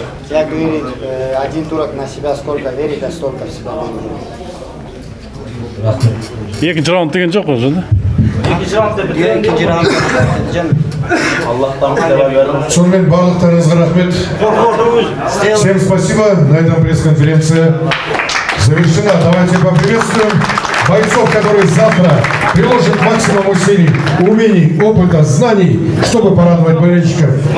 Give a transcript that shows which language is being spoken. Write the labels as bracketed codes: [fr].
[ru] Я говорю, один турок на себя сколько верит, а столько в себя верит. [kk] Екінші раунд деген жоқ қой, жоқ? Сонымен барлықтарыңызға рахмет. [ru] Всем спасибо. На этом пресс-конференция завершена. Давайте поприветствуем бойцов, которые завтра приложат максимум усилий, умений, опыта, знаний, чтобы порадовать болельщиков.